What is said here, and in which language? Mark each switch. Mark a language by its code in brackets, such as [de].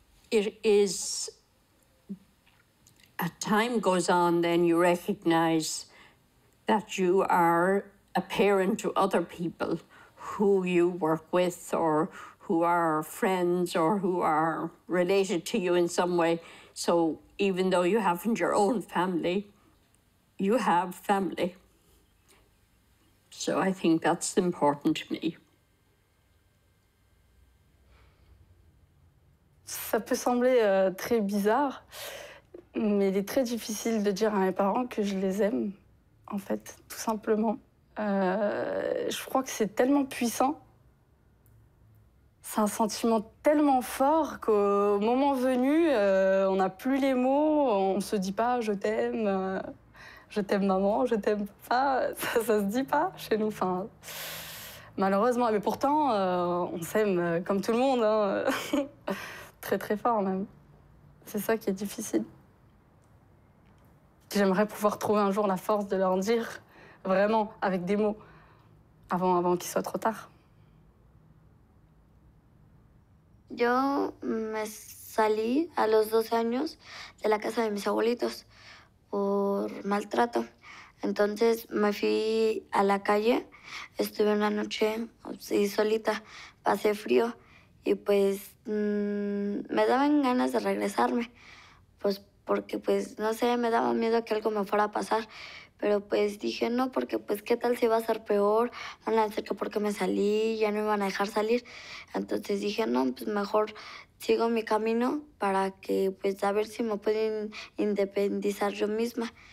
[en] It is, as time goes on, then you recognize that you are a parent to other people who you work with or who are friends or who are related to you in some way. So even though you haven't your own family, you have family. So I think that's important to me. [fr] Ça peut sembler très bizarre, mais il est très difficile de dire à mes parents que je les aime, en fait, tout simplement. Je crois que c'est tellement puissant. C'est un sentiment tellement fort qu'au moment venu, on n'a plus les mots, on ne se dit pas « je t'aime maman, je t'aime papa », ça ne se dit pas chez nous. Enfin, malheureusement, mais pourtant, on s'aime comme tout le monde. Hein. Très, très fort, même. C'est ça qui est difficile. J'aimerais pouvoir trouver un jour la force de leur dire, vraiment, avec des mots, avant qu'il soit trop tard. [es] Yo me salí a los 12 años de la casa de mis abuelitos por maltrato. Entonces me fui a la calle, estuve una noche así solita, pasé frío y pues me daban ganas de regresarme, pues porque, pues, no sé, me daba miedo que algo me fuera a pasar, pero pues dije no, porque pues qué tal si iba a ser peor, van a decir que porque me salí, ya no me iban a dejar salir, entonces dije no, pues mejor sigo mi camino para que, pues, a ver si me pueden independizar yo misma.